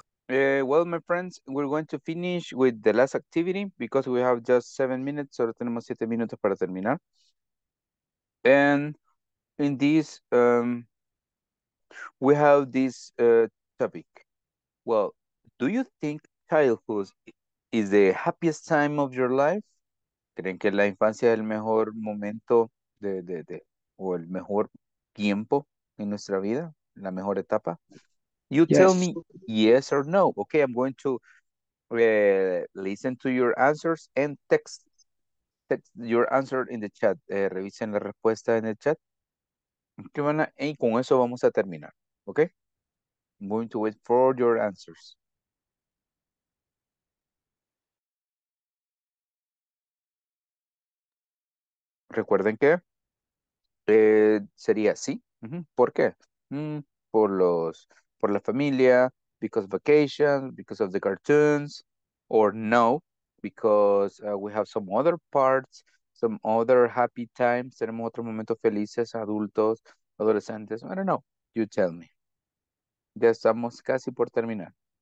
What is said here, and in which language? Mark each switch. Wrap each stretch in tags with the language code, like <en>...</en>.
<en>Well, my friends, we're going to finish with the last activity because we have just 7 minutes.</en> <es>Solo tenemos 7 minutos para terminar.</es> <en>And in this, we have this topic. Well, do you think childhood is the happiest time of your life?</en> <es>¿Creen que la infancia es el mejor momento de o el mejor tiempo en nuestra vida, la mejor etapa?</es> <en>You yes. Tell me yes or no. Okay, I'm going to listen to your answers and text your answer in the chat.</en> <es>Revisen la respuesta en el chat. Y con eso vamos a terminar. Okay?</es> <en>I'm going to wait for your answers.</en> <es>Recuerden que sería sí. ¿Por qué? Por los... por la familia,</es> <en>because of vacation, because of the cartoons, or no, because we have some other parts, some other happy times,</en> <es>tenemos otro momento felices, adultos, adolescentes,</es> <en>I don't know, you tell me.</en> <es>Ya estamos casi por terminar.</es>